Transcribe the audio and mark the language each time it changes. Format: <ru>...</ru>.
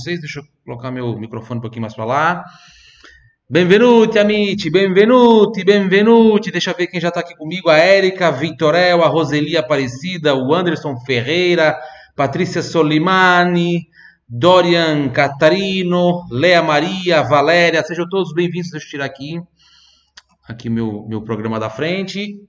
<pt>Deixa eu colocar meu microfone um pouquinho mais para lá.</pt> <it>Benvenuti, amici, benvenuti, benvenuti.</it> <pt>Deixa eu ver quem já está aqui comigo: a Erika, a Vitorel, a Roseli Aparecida, o Anderson Ferreira, Patrícia Solimani, Dorian Catarino, Lea Maria, Valéria. Sejam todos bem-vindos. Deixa eu tirar aqui meu programa da frente.</pt>